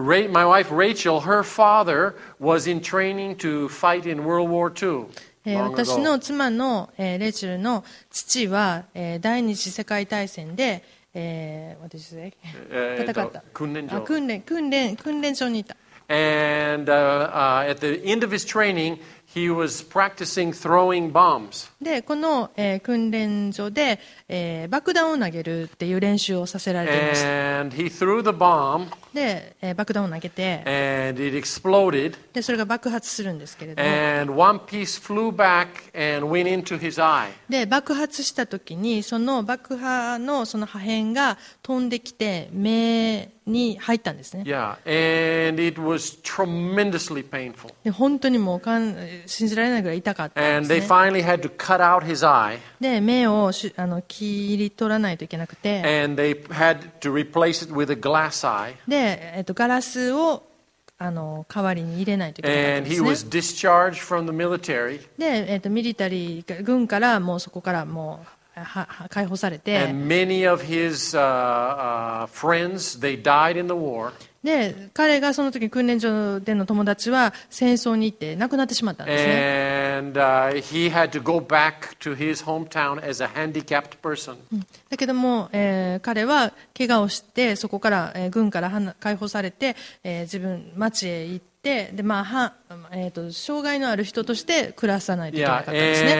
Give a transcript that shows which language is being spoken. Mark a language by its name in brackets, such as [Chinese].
[English] My wife Rachel, her father was in training to fight in World War II. [Japanese] 私の妻の、レイチェルの父は、第二次世界大戦で、私で戦った、訓練場にいた。 [English] And, at the end of his training,He was practicing throwing bombs. [Japanese] で、この、訓練所で、爆弾を投げるっていう練習をさせられていました。 [English] And he threw the bomb. [Japanese] で、爆弾を投げて。 [English] And it exploded. [Japanese] で、それが爆発するんですけれども。 [English] And one piece flew back and went into his eye. [Japanese] で、爆発した時にその爆破のその破片が飛んできて目に入ったんですね。 [English] Yeah. And it was tremendously painful. [Japanese] で、本当にもう信じられないぐらい痛かったんですね。 [English] And they finally had to cut out his eye. [Japanese] で、目を切り取らないといけなくて。 [English] And they had to replace it with a glass eye. [Japanese] で、ガラスを代わりに入れないといけないんですね。 [English] And he was discharged from the military. [Japanese] で、ミリタリー軍からもうそこからもう解放されて。 [English] And many of his friends, they died in the war. [Japanese] で、彼がその時訓練所での友達は戦争に行って亡くなってしまったんですね。 [English] And, he had to go back to his hometown as a handicapped person. [Japanese] だけども、彼は怪我をしてそこから、軍から解放されて、自分町へ行って、で、まあ障害のある人として暮らさないといけなかったんですね。